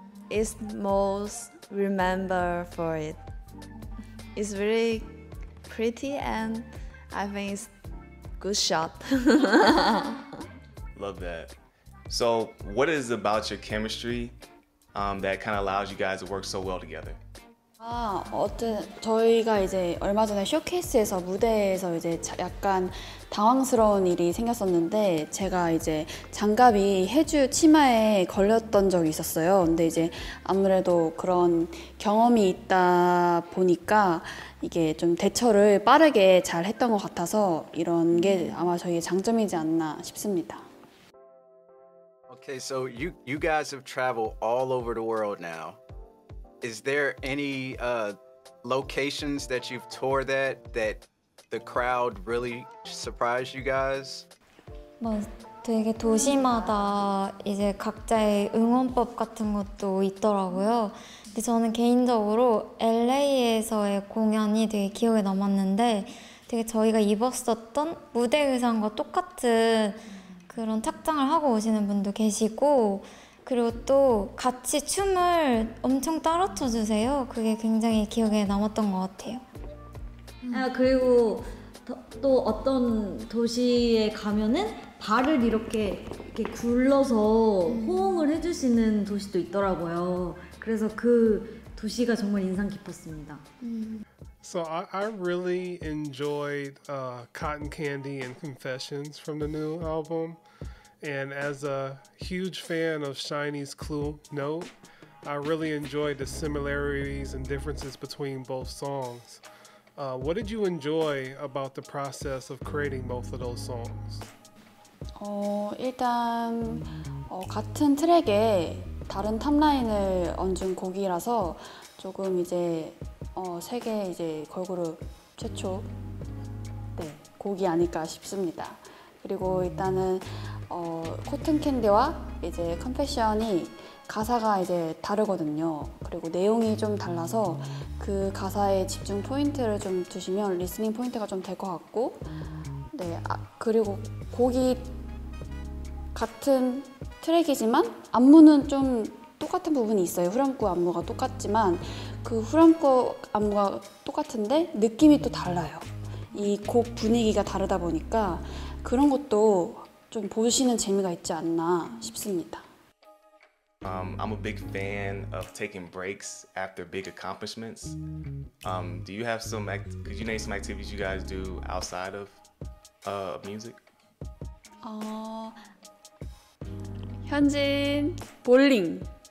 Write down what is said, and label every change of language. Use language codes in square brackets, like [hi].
[en] It's most remember for it. It's really pretty and I think it's good shot. Love that. So, what is it about your chemistry that kind of allows you guys to work so well together? [ko] 아, 어쨌든 저희가 이제 얼마 전에 쇼케이스에서 무대에서 이제 약간 당황스러운 일이 생겼었는데 제가 이제 장갑이 혜주 치마에 걸렸던 적이 있었어요. 근데 이제 아무래도 그런 경험이 있다 보니까 이게 좀 대처를 빠르게 잘 했던 것 같아서 이런 게 아마 저희의 장점이지 않나 싶습니다. [en] Okay, so you guys have traveled all over the world now. Is there any locations that you've toured at that the crowd really surprised you guys? [ko] 뭐 되게 도시마다 이제 각자의 응원법 같은 것도 있더라고요. 근데 저는 개인적으로 LA에서의 공연이 되게 기억에 남았는데 되게 저희가 입었었던 무대 의상과 똑같은 그런 착장을 하고 오시는 분도 계시고 그리고 또 같이 춤을 엄청 따라쳐 주세요. 그게 굉장히 기억에 남았던 것 같아요. 아 그리고 또 어떤 도시에 가면은 발을 이렇게 굴러서 호응을 해주시는 도시도 있더라고요. 그래서 그 도시가 정말 인상 깊었습니다. [en] So I really enjoyed Cotton Candy and Confessions from the new album. And as a huge fan of SHINee's Clue Note, I really enjoyed the similarities and differences between both songs. What did you enjoy about the process of creating both of those songs? [ko] 일단 같은 트랙에 다른 탑라인을 얹은 곡이라서 조금 이제 세계 이제 걸그룹 최초 곡이 아닐까 싶습니다. 그리고 일단은 코튼 캔디와 이제 컨패션이 가사가 이제 다르거든요. 그리고 내용이 좀 달라서 그 가사에 집중 포인트를 좀 두시면 리스닝 포인트가 좀 될 것 같고 네, 그리고 곡이 같은 트랙이지만 안무는 좀 똑같은 부분이 있어요. 후렴구 안무가 똑같지만 그 후렴구 안무가 똑같은데 느낌이 또 달라요. 이 곡 분위기가 다르다 보니까 그런 것도 좀 보시는 재미가 있지 않나 싶습니다. [en] I'm a big fan of taking breaks after big accomplishments. Do you have some could you name some activities you guys do outside of music? [ko] 현진 볼링.